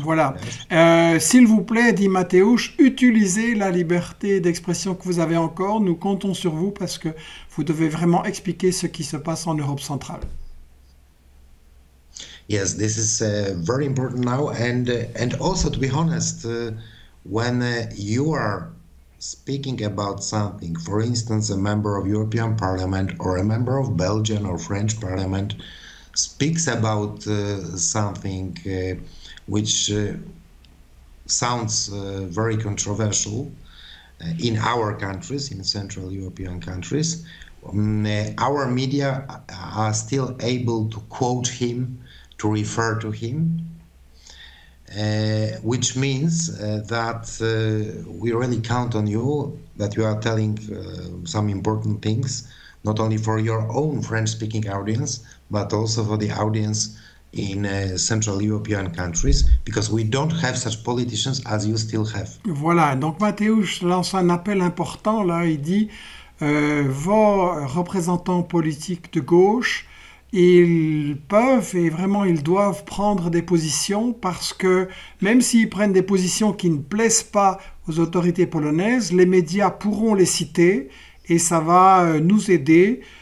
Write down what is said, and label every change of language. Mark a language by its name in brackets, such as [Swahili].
[French] Voilà. S'il vous plaît, dit Mateusz, utilisez la liberté d'expression que vous avez encore. Nous comptons sur vous parce que vous devez vraiment expliquer ce qui se passe en Europe centrale. [English] Yes, this is very important now. And also, to be honest, when you are speaking about something, for instance, a member of European Parliament or a member of Belgian or French Parliament speaks about something which sounds very controversial in our countries, in Central European countries, our media are still able to quote him, to refer to him. Which means that we really count on you, that you are telling some important things, not only for your own French-speaking audience, but also for the audience in Central European countries, because we don't have such politicians as you still have. [French] Voilà, donc Mateusz lance un appel important, là, il dit, vos représentants politiques de gauche, ils peuvent et vraiment ils doivent prendre des positions parce que même s'ils prennent des positions qui ne plaisent pas aux autorités polonaises, les médias pourront les citer et ça va nous aider.